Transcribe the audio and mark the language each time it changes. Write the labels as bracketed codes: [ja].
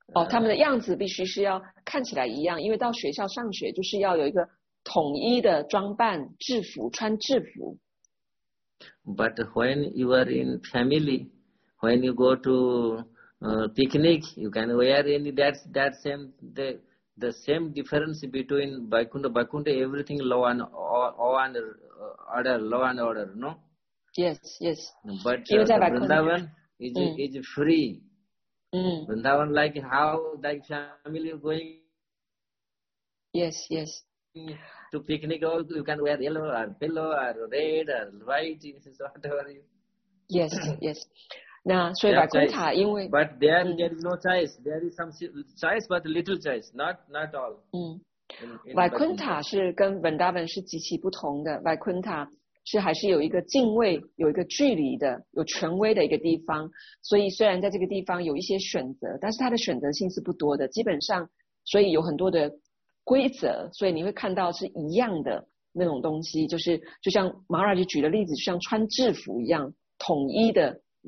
[zh] 他们的样子必须是要看起来一样，因为到学校上学就是要有一个统一的装扮，制服，穿制服。 [en] But when you are in family, when you go to picnic, you can wear any that same the same difference between Vaikuntha, everything law and order, no? Yes. But Vrindavan is free. Vrindavan, like how like family going? Yes. To picnic, all you can wear yellow or yellow or red or white, whatever. Yes. [zh] 那所以 Vaikuntha 因为 [en] but there is no choice. There is some choice, but little choice, not all. [zh] Vaikuntha 是跟 Vrindavan 是极其不同的。 Vaikuntha 是还是有一个敬畏，有一个距离的，有权威的一个地方。所以虽然在这个地方有一些选择，但是它的选择性是不多的。基本上，所以有很多的规则，所以你会看到是一样的那种东西，就是就像 Maharaj 举的例子，像穿制服一样统一的。